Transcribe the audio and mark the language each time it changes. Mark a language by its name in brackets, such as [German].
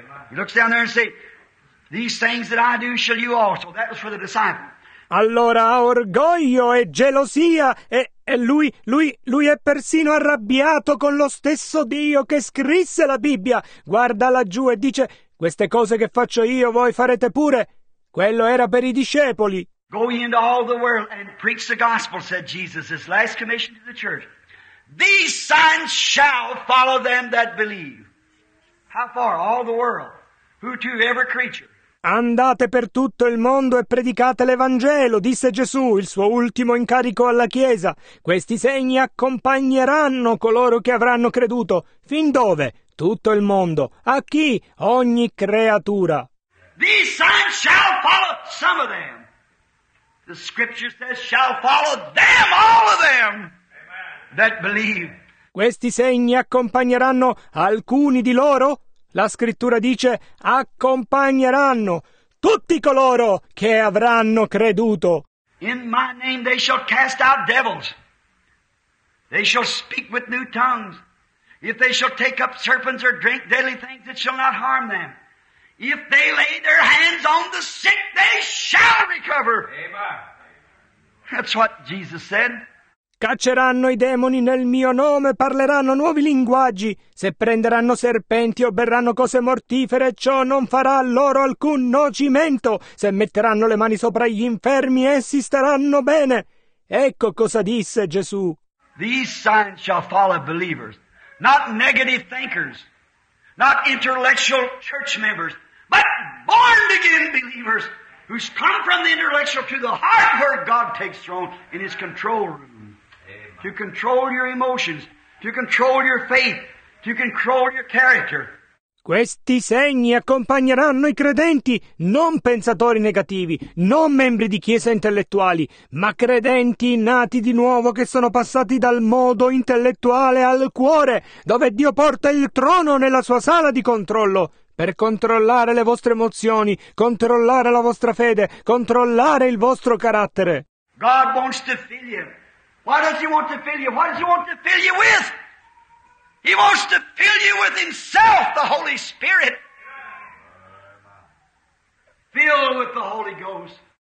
[English] He looks down there and says, these things that I do shall you also. That was for the disciples. [Italian] Allora ha orgoglio e gelosia e lui è persino arrabbiato con lo stesso Dio che scrisse la Bibbia. Guarda laggiù e dice, queste cose che faccio io voi farete pure. Quello era per i discepoli. [English] Go into all the world and preach the gospel, said Jesus, his last commission to the church. These signs shall follow them that believe. How far? All the world. Who to every creature. [Italian] Andate per tutto il mondo e predicate l'Evangelo, disse Gesù, il suo ultimo incarico alla Chiesa. Questi segni accompagneranno coloro che avranno creduto. Fin dove? Tutto il mondo. A chi? Ogni creatura. [English] These signs shall follow some of them. The scripture says shall follow them, all of them that believe. [Italian] Questi segni accompagneranno alcuni di loro? La scrittura dice, accompagneranno tutti coloro che avranno creduto. [English] In my name they shall cast out devils. They shall speak with new tongues. If they shall take up serpents or drink deadly things, it shall not harm them. If they lay their hands on the sick, they shall recover. Amen. That's what Jesus said. [Italian] Cacceranno i demoni nel mio nome, parleranno nuovi linguaggi. Se prenderanno serpenti o berranno cose mortifere, ciò non farà loro alcun nocimento. Se metteranno le mani sopra gli infermi, essi staranno bene. Ecco cosa disse Gesù. [English] These signs shall follow believers. not negative thinkers, not intellectual church members, but born-again believers who's come from the intellectual to the heart where God takes throne in His control room. Amen. To control your emotions, to control your faith, to control your character. [Italian] Questi segni accompagneranno i credenti, non pensatori negativi, non membri di chiese intellettuali, ma credenti nati di nuovo che sono passati dal modo intellettuale al cuore, dove Dio porta il trono nella sua sala di controllo, per controllare le vostre emozioni, controllare la vostra fede, controllare il vostro carattere. [English] God wants to fill you. Why does He want to fill you? What does He want to fill you with? He wants to fill you with Himself, the Holy Spirit. Filled with the Holy Ghost.